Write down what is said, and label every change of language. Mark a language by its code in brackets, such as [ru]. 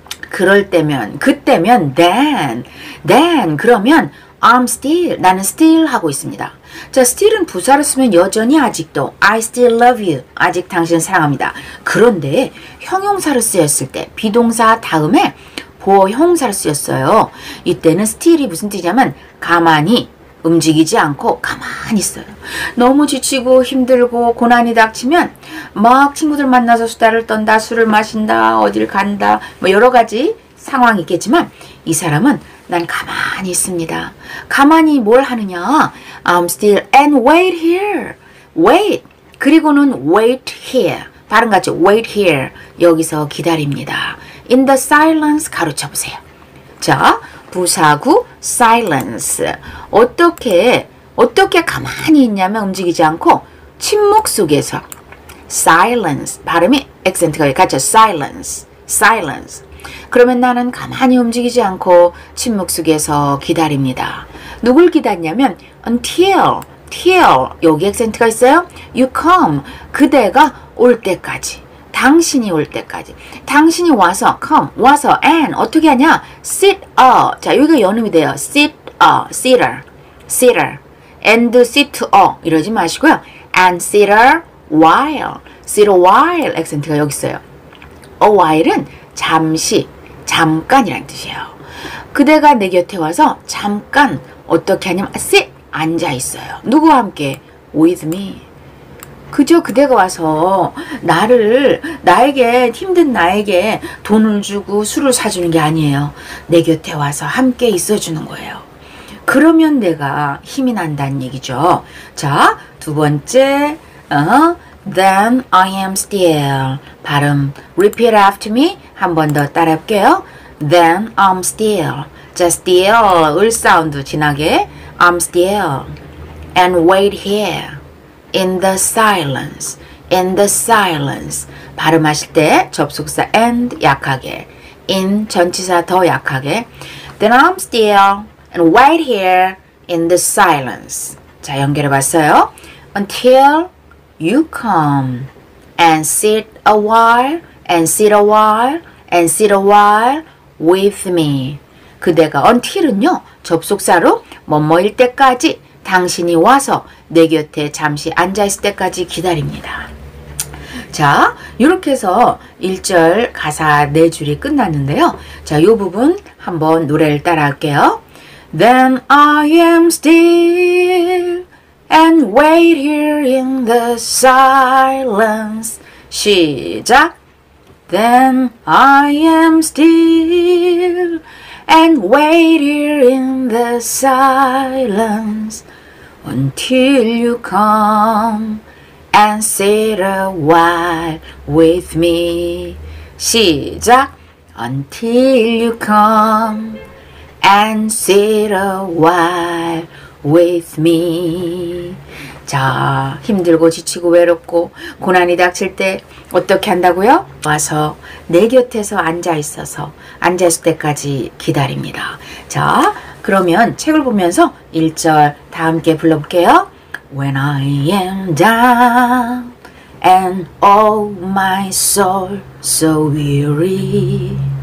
[ko] 그럴 때면, 그때면 then. [en] Then [ko] 그러면 [en] I'm still. [ko] 나는 still 하고 있습니다. 자, still은 부사를 쓰면 여전히 아직도 [en] I still love you. [ko] 아직 당신을 사랑합니다. 그런데 형용사를 쓰였을 때 비동사 다음에 보어 형용사를 쓰였어요. 이때는 still이 무슨 뜻이냐면 가만히 움직이지 않고 가만히 있어요. 너무 지치고 힘들고 고난이 닥치면 막 친구들 만나서 수다를 떤다, 술을 마신다, 어딜 간다, 뭐 여러 가지 상황이 있겠지만 이 사람은 난 가만히 있습니다. 가만히 뭘 하느냐? [en] I'm still and wait here. Wait. [ko] 그리고는 [en] wait here. [ko] 발음 같이 [en] wait here. [ko] 여기서 기다립니다. [en] In the silence [ko] 가르쳐보세요. 자, 부사구 silence. 어떻게 가만히 있냐면 움직이지 않고 침묵 속에서 silence. 발음이 액센트가 같이 silence. [en] Silence. [ko] 그러면 나는 가만히 움직이지 않고 침묵 속에서 기다립니다. 누굴 기다리냐면 until, till 여기 액센트가 있어요. [en] You come, [ko] 그대가 올 때까지, 당신이 올 때까지, 당신이 와서 come, 와서 and 어떻게 하냐? [en] Sit a, [ko] 자 여기가 연음이 돼요. [en] Sit a, sitter, sitter, and sit a [ko] 이러지 마시고요. [en] And sit a while, sit a while [ko] 액센트가 여기 있어요. A while은 잠시, 잠깐이란 뜻이에요. 그대가 내 곁에 와서 잠깐 어떻게 하냐면 sit, 앉아있어요. 누구와 함께? [en] With me. [ko] 그저 그대가 와서 나에게 힘든 나에게 돈을 주고 술을 사주는 게 아니에요. 내 곁에 와서 함께 있어주는 거예요. 그러면 내가 힘이 난다는 얘기죠. 자, 두 번째 [en] Then I am still. [ko] 발음 [en] repeat after me. [ko] 한 번 더 따라할게요. [en] Then I'm still. [ko] 자, still 을 사운드 진하게. [en] I'm still. And wait here. In the silence. In the silence. [ko] 발음하실 때 접속사 and 약하게. [en] In [ko] 전치사 더 약하게. [en] Then I'm still. And wait here. In the silence. [ko] 자, 연결해 봤어요. [en] Until you come and sit a while and sit a while and sit a while with me. [ko] 그대가 until은요. 접속사로 뭐뭐일 때까지 당신이 와서 내 곁에 잠시 앉아있을 때까지 기다립니다. 자, 이렇게 해서 1절 가사 네 줄이 끝났는데요. 자, 이 부분 한번 노래를 따라 할게요. [en] Then I am still and wait here in the silence. [ko] 시작. [en] Then I am still and wait here in the silence until you come and sit a while with me. [ko] 시작. [en] Until you come and sit a while with me. [ko] 자, 힘들고 지치고 외롭고 고난이 닥칠 때 어떻게 한다고요? 와서 내 곁에서 앉아있어서 앉아있을 때까지 기다립니다. 자, 그러면 책을 보면서 1절 다 함께 불러볼게요. [en] When I am down and all my soul so weary,